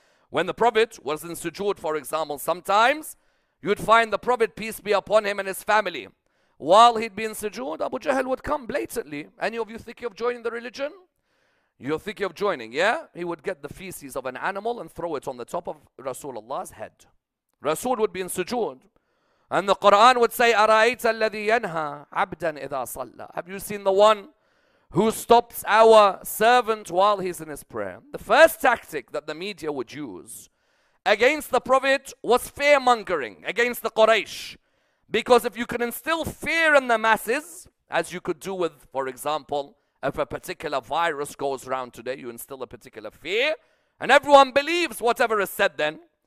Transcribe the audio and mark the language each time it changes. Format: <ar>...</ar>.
<en>When the Prophet was in sujood, for example, sometimes you'd find the Prophet, peace be upon him and his family. While he'd be in sujood, Abu Jahl would come blatantly. Any of you thinking of joining the religion? You're thinking of joining, yeah? He would get the feces of an animal and throw it on the top of Rasulullah's head. Rasul would be in sujood. And the Quran would say,</en> <ar>أَرَأَيْتَ الَّذِي يَنْهَى عَبْدًا إِذَا صَلَّى.</ar> <en>Have you seen the one who stops our servant while he's in his prayer? The first tactic that the media would use against the Prophet was fear-mongering against the Quraysh. Because if you can instill fear in the masses, as you could do with, for example, if a particular virus goes around today, you instill a particular fear, and everyone believes whatever is said then.</en>